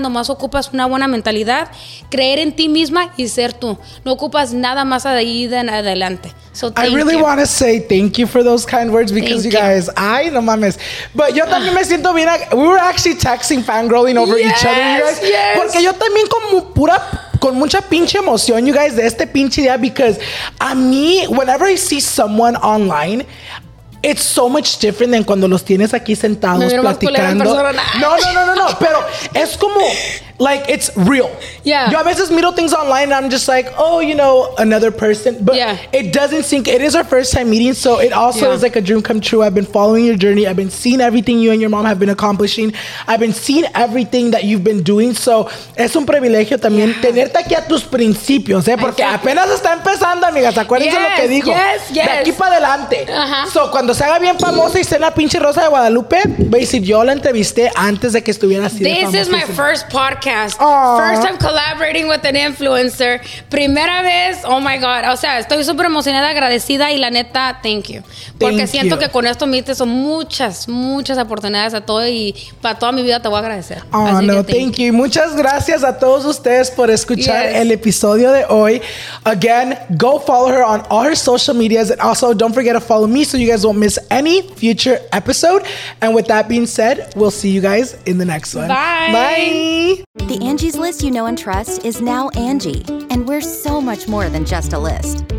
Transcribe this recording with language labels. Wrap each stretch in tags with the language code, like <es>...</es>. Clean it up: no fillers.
<es>Nomás ocupas una buena mentalidad, creer en ti misma y ser tú. No ocupas nada más de ahí de adelante.</es> <en>So, I really want to say thank you for those kind words because you guys,</en> <es>ay, no mames.</es> <en>But</en> <es>yo también me siento bien.</es> <en>We were actually texting, fangirling over each other, you guys. Yes.</en> <es>Porque yo también como pura... con mucha pinche emoción,</es> <en>you guys,</en> <es>de este pinche día,</es> <en>because</en> <es>a mí,</es> <en>whenever I see someone online, it's so much different than</en> <es>cuando los tienes aquí sentados platicando. No. Pero es como,</es> <en>like, it's real. Yeah.</en> <es>Yo a veces miro</es> <en>things online and I'm just like, oh, you know, another person. But it doesn't sink. It is our first time meeting. So it also is like a dream come true. I've been following your journey. I've been seeing everything you and your mom have been accomplishing. I've been seeing everything that you've been doing.</en> <es>So es un privilegio también tenerte aquí a tus principios, porque apenas está empezando, amigas. Acuérdense lo que digo.</es> <en>Yes.</en> <es>De aquí para adelante. Uh-huh. So cuando se haga bien famosa y esté en la pinche Rosa de Guadalupe, veis, yo la entrevisté antes de que estuviera así de famosa.</es> <en>This is my first podcast. First, I'm collaborating with an influencer.</en> <es>Primera vez,</es> <en>oh my God.</en> <es>O sea, estoy súper emocionada, agradecida y la neta,</es> <en>thank you.</en> <es>Porque</es> <en>thank</en> <es>siento Que con esto me diste muchas, muchas oportunidades a todo y para toda mi vida te voy a agradecer. Oh, así no, que</es> <en>thank you.</en> <es>Muchas gracias a todos ustedes por escuchar el episodio de hoy.</es> <en>Again, go follow her on all her social medias and also don't forget to follow me so you guys won't miss any future episode. And with that being said, we'll see you guys in the next one. Bye. Bye. The Angie's List you know and trust is now Angie, and we're so much more than just a list.</en>